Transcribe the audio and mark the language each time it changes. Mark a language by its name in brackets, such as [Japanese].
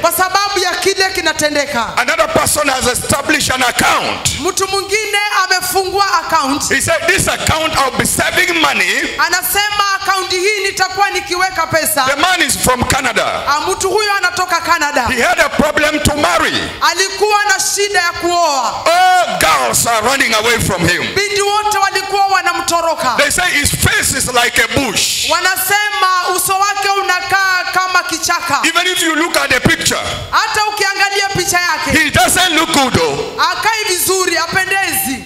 [Swahili] Kwa sababu ya kile kinatendeka. [English] Another person has established an account. [Swahili] Mtu mwingine amefungua account. [English] He said this account I'll be saving money. [Swahili] Anasema account hii nitakuwa nikiweka pesa. [English] The man is from Canada. [Swahili] Mtu huyo anatoka Canada. [English] He had a problem to marry. [Swahili] Alikuwa na shida ya kuoa. [English] Oh, girls are running away from him. [Swahili] Binti wote walikuwa wanamtoroka. [English] They say his face is like a bush. [Swahili] Wanasema uso wake unakaa kama kichaka. [English] Even if you look at the picture. [Swahili] Hata ukiangalia picha yake. [English] He doesn't look good though. [Swahili] Akai vizuri, apendezi.